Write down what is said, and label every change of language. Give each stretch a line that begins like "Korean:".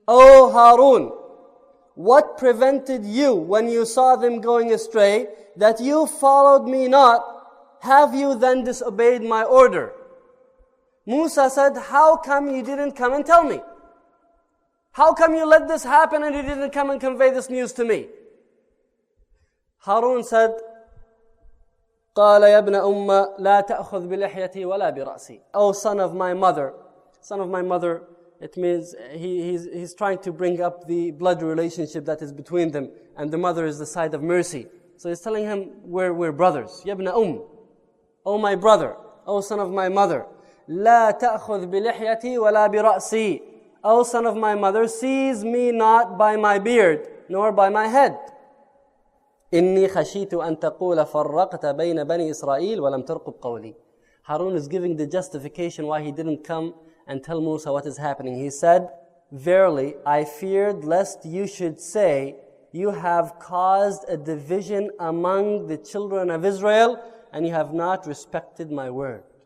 English: O Harun, what prevented you when you saw them going astray that you followed me not? Have you then disobeyed my order? Musa said, how come you didn't come and tell me? How come you let this happen and you didn't come and convey this news to me? Harun said,
Arabic: قَالَ يَبْنَ أُمَّ لَا تَأْخُذْ بِلِحْيَتِي وَلَا بِرَأْسِي.
English: O son of my mother, son of my mother, it means he's trying to bring up the blood relationship that is between them, and the mother is the side of mercy. So he's telling him, we're brothers.
Arabic: يَبْنَ أُمَّ.
English: O my brother, O son of my mother,
Arabic: لَا تَأْخُذْ بِلِحْيَتِي وَلَا بِرَأْسِي.
English: O son of my mother, seize me not by my beard, nor by my head.
Arabic: إني خشيت أن تقول فرقت بين بني إسرائيل ولم ترقب قولي.
English: Harun is giving the justification why he didn't come and tell Musa what is happening. He said, verily, I feared lest you should say you have caused a division among the children of Israel and you have not respected my word.